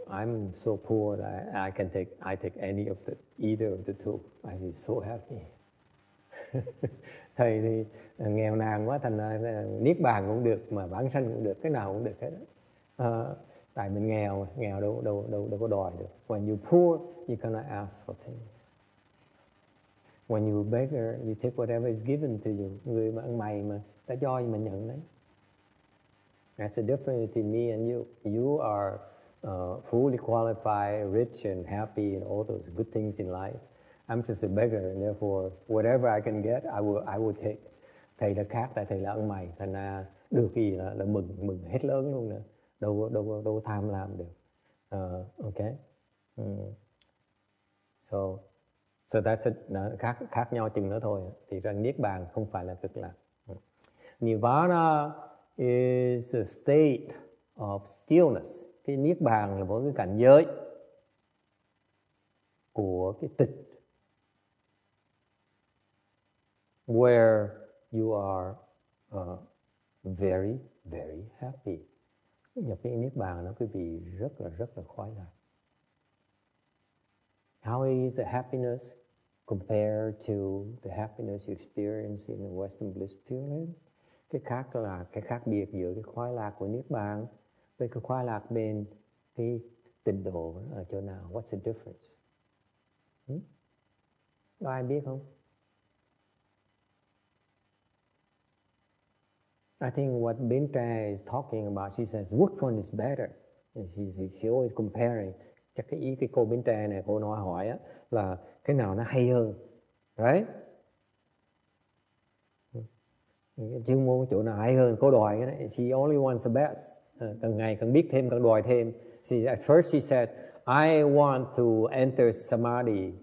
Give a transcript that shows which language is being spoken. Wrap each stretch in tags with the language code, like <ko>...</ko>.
<en>I'm so poor that I take any of the either of the two. I'd be so happy.</en> <vi>Thầy thì nghèo nàn quá thành là niết bàn cũng được mà bản sanh cũng được, cái nào cũng được hết. Tại mình nghèo, nghèo đâu có đòi được.</vi> <en>When you're poor, you cannot ask for things. When you're a beggar, you take whatever is given to you.</en> <vi>Người mà ăn mày mà ta cho thì mình nhận đấy.</vi> <en>That's the difference between me and you. You are fully qualified, rich and happy and all those good things in life. I'm just a beggar, and therefore, whatever I can get, I will take.</en> <vi>Thầy là khác, tại thầy là ăn mày, thành ra được gì là mừng, mừng hết lớn luôn nè. Đâu tham lam được. Okay? Mm.</vi> <en>So that's it.</en> <vi>Khác nhau chừng đó thôi. Thì ra Niết Bàn không phải là cực lạc.</vi> <en>Nirvana is a state of stillness.</en> <vi>Cái Niết Bàn là một cái cảnh giới của cái tịch,</vi> <en>where you are very, very happy.</en> <vi>Nhập cái Niết Bàn nó quý vị rất là khoái lạc.</vi> <en>How is the happiness compared to the happiness you experience in the Western bliss period?</en> <vi>Cái khác là cái khác biệt giữa cái khoái lạc của Niết Bàn với cái khoái lạc bên cái tịnh độ ở chỗ nào?</vi> <en>What's the difference?</en> <vi>Có ai biết không?</vi> <en>I think what Bintra is talking about, she says, which one is better? She always comparing.</en> <vi>Chắc cái ý cái cô Bintra này, cô nói hỏi á, là cái nào nó hay hơn, right? Chuyên môn chỗ nào hay hơn, cô đòi cái đấy.</vi> <en>She only wants the best.</en> <vi>Càng ngày càng biết thêm, càng đòi thêm.</vi> <en>At first she says, I want to enter Samadhi.</en>